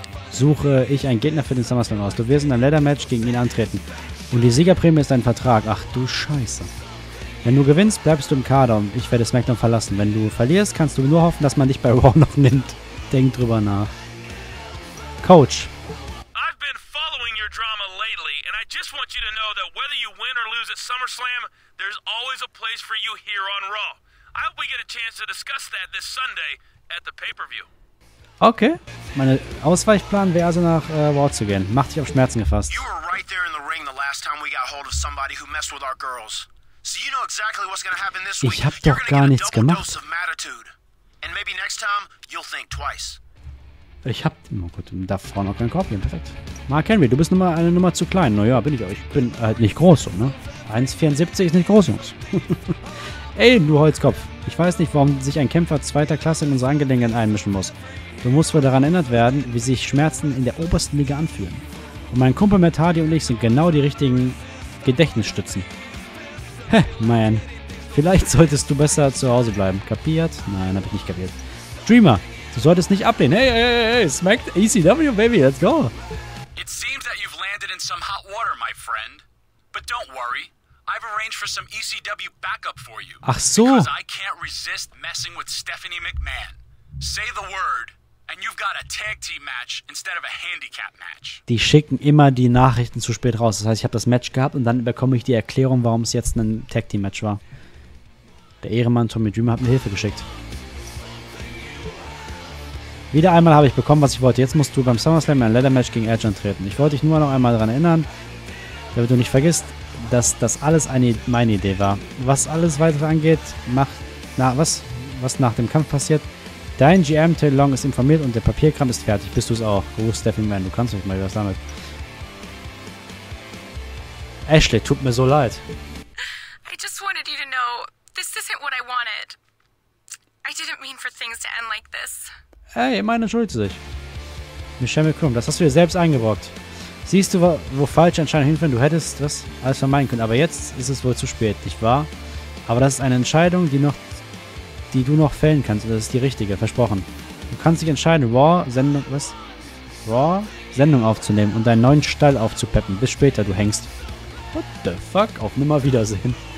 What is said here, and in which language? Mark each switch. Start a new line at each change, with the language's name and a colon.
German: Suche ich einen Gegner für den SummerSlam aus. Du wirst in einem Ladder-Match gegen ihn antreten. Und die Siegerprämie ist dein Vertrag. Ach du Scheiße. Wenn du gewinnst, bleibst du im Kader und ich werde SmackDown verlassen. Wenn du verlierst, kannst du nur hoffen, dass man dich bei Raw noch nimmt. Denk drüber nach. Coach.
English: I've been following your drama lately and I just want you to know that whether you win or lose at SummerSlam, there's always a place for you here on Raw. I hope we get a chance to discuss that this Sunday at the pay-per-view.
German: Okay, mein Ausweichplan wäre also nach Raw zu gehen. Mach dich auf Schmerzen gefasst.
English: You were right there in the ring the last time we got hold of somebody who messed with our girls. So you know exactly what's gonna happen this week.
German: Ich hab doch gar nichts gemacht.
English: And maybe next time you'll think twice.
German: Ich hab. Oh Gott, da vorne auch keinen Korb gehen. Perfekt. Mark Henry, du bist nur mal eine Nummer zu klein. Naja, bin ich auch. Ich bin halt nicht groß, so, ne? 1,74 ist nicht groß, Jungs. Ey, du Holzkopf. Ich weiß nicht, warum sich ein Kämpfer zweiter Klasse in unsere Angelegenheiten einmischen muss. Du musst wohl daran erinnert werden, wie sich Schmerzen in der obersten Liga anfühlen. Und mein Kumpel Matt Hardy und ich sind genau die richtigen Gedächtnisstützen. Hä, man. Vielleicht solltest du besser zu Hause bleiben. Kapiert? Nein, hab ich nicht kapiert. Dreamer, du solltest nicht ablehnen. Hey, hey, hey, hey, Smack ECW,
English: baby, let's go. It seems that you've landed in some hot water, my friend. But don't worry, I've arranged for some ECW backup for you.
German: Ach so.
English: Because I can't resist messing with Stephanie McMahon. Say the word, and you've got a tag team match instead of a handicap match.
German: Die schicken immer die Nachrichten zu spät raus. Das heißt, ich habe das Match gehabt und dann bekomme ich die Erklärung, warum es jetzt ein Tag Team Match war. Der Ehrenmann Tommy Dreamer hat mir Hilfe geschickt. Wieder einmal habe ich bekommen, was ich wollte. Jetzt musst du beim SummerSlam ein Ladder Match gegen Edge antreten. Ich wollte dich nur noch einmal daran erinnern, damit du nicht vergisst, dass das alles meine Idee war. Was alles weitere angeht, was nach dem Kampf passiert. Dein GM Taylor Long ist informiert und der Papierkram ist fertig. Bist du es auch? Gruß, Stephanie Mann, du kannst nicht mal was damit. Ashley, tut mir so leid.
English: I just wanted you to know, this isn't what I wanted. I didn't mean for things to end like this.
German: Hey, meine entschuldigt sich. Michelle McCroom, das hast du dir selbst eingebrockt. Siehst du, wo falsch anscheinend hinführen, du hättest das alles vermeiden können. Aber jetzt ist es wohl zu spät, nicht wahr? Aber das ist eine Entscheidung, die du noch fällen kannst. Das ist die richtige, versprochen. Du kannst dich entscheiden, Raw-Sendung aufzunehmen und deinen neuen Stall aufzupeppen. Bis später, du Hengst.
English: What the fuck?
German: Auf Nimmerwiedersehen.